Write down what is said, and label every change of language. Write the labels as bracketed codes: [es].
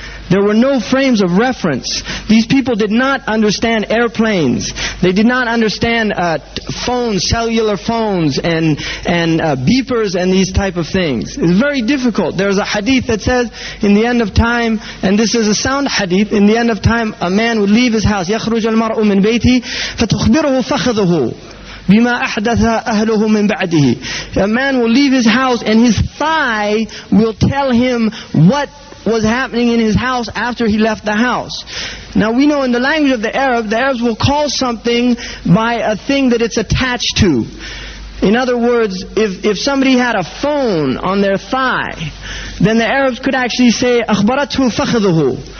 [en] There were no frames of reference. These people did not understand airplanes. They did not understand phones, cellular phones, and beepers and these type of things. It's very difficult. There's a hadith that says, in the end of time, and this is a sound hadith, in the end of time, a man would leave his house. [ar] يخرج المرء من بيتي فتخبره فخذه بما أحدث أهله من بعده. [en] A man will leave his house and his thigh will tell him what was happening in his house after he left the house. Now we know in the language of the Arabs will call something by a thing that it's attached to. In other words, if somebody had a phone on their thigh, then the Arabs could actually say, [ar] أخبرته فخذه.